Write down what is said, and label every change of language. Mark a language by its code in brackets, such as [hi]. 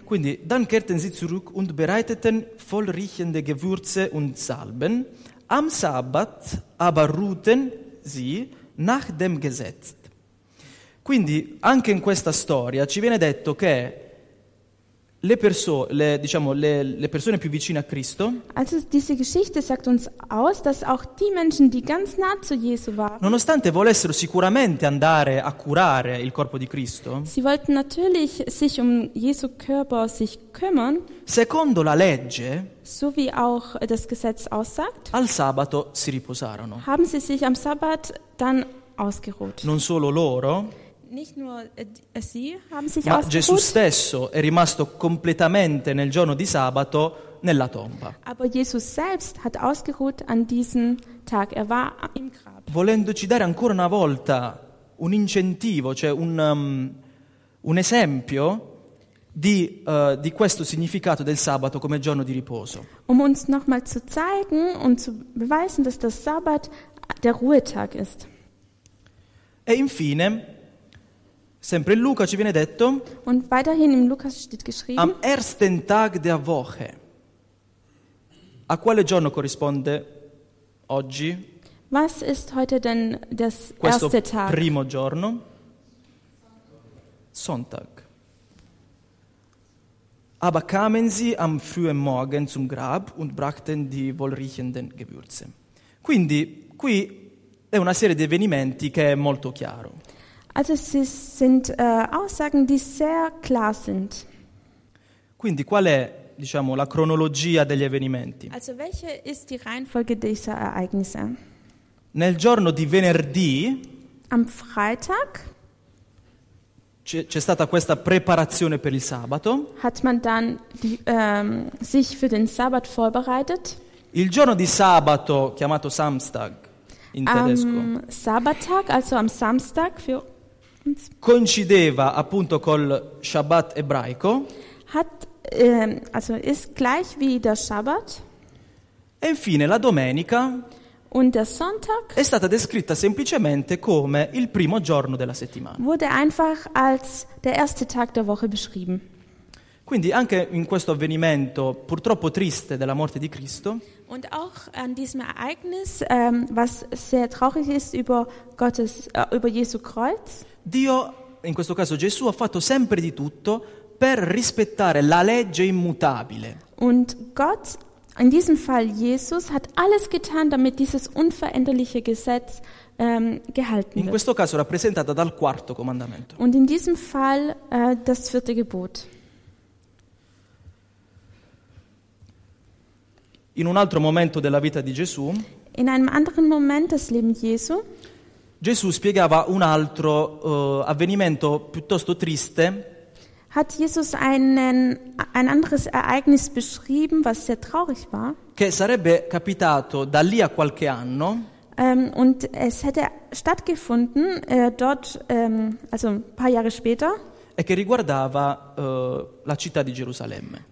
[it] Quindi, [de] dann kehrten sie zurück und bereiteten vollriechende Gewürze und Salben. Am Sabbat aber ruhten sie nach dem Gesetz. [it] Quindi, anche in questa storia ci viene detto che le persone più vicine a Cristo. [de] Also diese Geschichte sagt uns aus, dass auch die Menschen, die ganz nah zu Jesu waren, [it] nonostante volessero sicuramente andare a curare il corpo di Cristo, [de] sie wollten natürlich sich um Jesu Körper sich kümmern. [it] Secondo la legge, [de] so wie auch das Gesetz aussagt, [it] al sabato si riposarono. [de] Haben sie sich am Sabbat dann ausgeruht? [it] Non solo loro. [de] Nicht nur sie haben sich [it] ma [de] ausgeruht. [it] Gesù stesso è rimasto completamente nel giorno di sabato nella tomba. [de] Aber Jesus selbst hat ausgeruht an diesem Tag. Er war im Grab. [it] Volendoci dare ancora una volta un incentivo, cioè un esempio di questo significato del sabato come giorno di riposo. [de] Um uns nochmal zu zeigen und zu beweisen, dass der Sabbat der Ruhetag ist. [it] E infine sempre in Luca ci viene detto. [de] Und weiterhin in Lukas steht geschrieben. Am ersten Tag der Woche. [it] A quale giorno corrisponde oggi? [de] Was ist heute denn das [it] questo [de] erste Tag? [it] Questo primo giorno. [de] Sonntag. Aber kamen sie am frühen Morgen zum Grab und brachten die wohlriechenden Gewürze. [it] Quindi qui è una serie di avvenimenti che è molto chiaro. [de] Also es sind Aussagen, die sehr klar sind. [it] Quindi qual è, diciamo, la cronologia degli avvenimenti? [de] Also welche ist die Reihenfolge dieser Ereignisse? [it] Nel giorno di venerdì. [de] Am Freitag. [it] C'è stata questa preparazione per il sabato. [de] Hat man dann sich für den Sabbat vorbereitet? [it] Il giorno di sabato, chiamato Samstag in tedesco. [de] Sabbattag, also am Samstag für [it] coincideva appunto col Shabbat ebraico. [de] Hat, also ist gleich wie der Shabbat. [it] E infine la domenica. [de] Und der Sonntag. [it] È stata descritta semplicemente come il primo giorno della settimana. [de] Wurde einfach als der erste Tag der Woche beschrieben. [it] Quindi anche in questo avvenimento purtroppo triste della morte di Cristo. [de] Und auch an diesem Ereignis, was sehr traurig ist über Gottes, über Jesu Kreuz. [it] Dio, in questo caso Gesù, ha fatto sempre di tutto per rispettare la legge immutabile. [de] Und Gott, in diesem Fall Jesus, hat alles getan, damit dieses unveränderliche Gesetz gehalten wird. [it] In questo caso rappresentata dal quarto comandamento. [de] Und in diesem Fall das vierte Gebot. [it] In un altro momento della vita di Gesù. [de] In einem anderen Moment des Lebens Jesu. [it] Gesù spiegava un altro avvenimento piuttosto triste. [de] Hat Jesus ein anderes Ereignis beschrieben, was sehr traurig war? [it] Che sarebbe capitato da lì a qualche anno. [de] Und es hätte stattgefunden dort, also ein paar Jahre später. [it] E che riguardava la città di Gerusalemme.